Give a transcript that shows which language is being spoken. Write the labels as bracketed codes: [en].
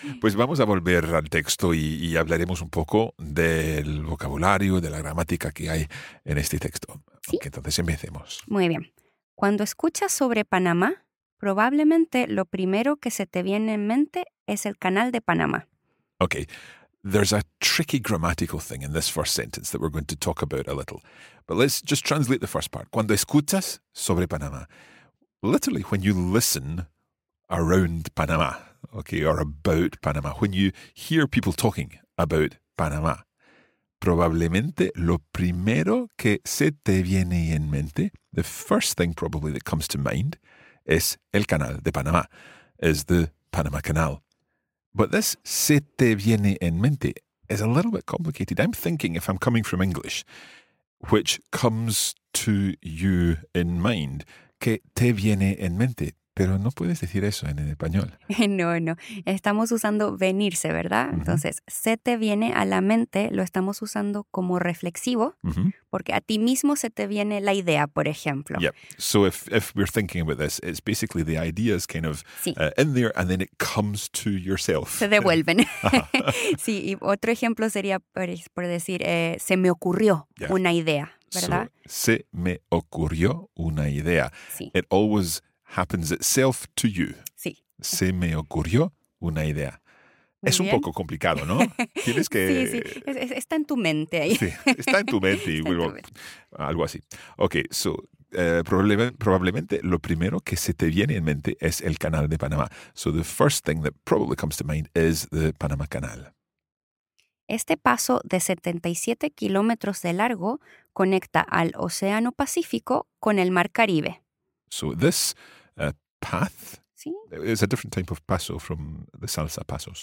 [es] Pues vamos a volver al texto y hablaremos un poco del vocabulario, de la gramática que hay en este texto. ¿Sí? Okay, entonces empecemos. Muy bien. Cuando escuchas sobre Panamá, probablemente lo primero que se te viene en mente es el canal de Panamá. [en] Okay. There's a tricky grammatical thing in this first sentence that we're going to talk about a little. But let's just translate the first part. [es] Cuando escuchas sobre Panamá. [en] Literally, when you listen around Panamá, okay, or about Panamá, when you hear people talking about Panamá, [es] probablemente lo primero que se te viene en mente, [en] the first thing probably that comes to mind, [es] es el canal de Panamá, [en] is the Panama Canal. But this [es] se te viene en mente [en] is a little bit complicated. I'm thinking if I'm coming from English, which comes to you in mind, [es] que te viene en mente. Pero no puedes decir eso en español. No, no. Estamos usando venirse, ¿verdad? Uh-huh. Entonces, se te viene a la mente, lo estamos usando como reflexivo, uh-huh. porque a ti mismo se te viene la idea, por ejemplo. [en] Yeah. So if we're thinking about this, it's basically the idea is kind of sí. In there and then it comes to yourself. [es] Se devuelven. Sí, y otro ejemplo sería, por decir, se me ocurrió yeah. una idea, ¿verdad? [en] So, [es] se me ocurrió una idea. Sí. [en] It always happens itself to you. [es] Sí. Se me ocurrió una idea. Muy es bien. Un poco complicado, ¿no? Tienes que... Sí, sí. Está en tu mente ahí. Sí, está en tu mente. Y luego, algo así. [en] Ok, so, [es] probablemente lo primero que se te viene en mente es el canal de Panamá. [en] So the first thing that probably comes to mind is the Panama Canal. [es] Este paso de 77 kilómetros de largo conecta al Océano Pacífico con el Mar Caribe. [en] So this path [es] ¿sí? [en] is a different type of paso from the salsa pasos.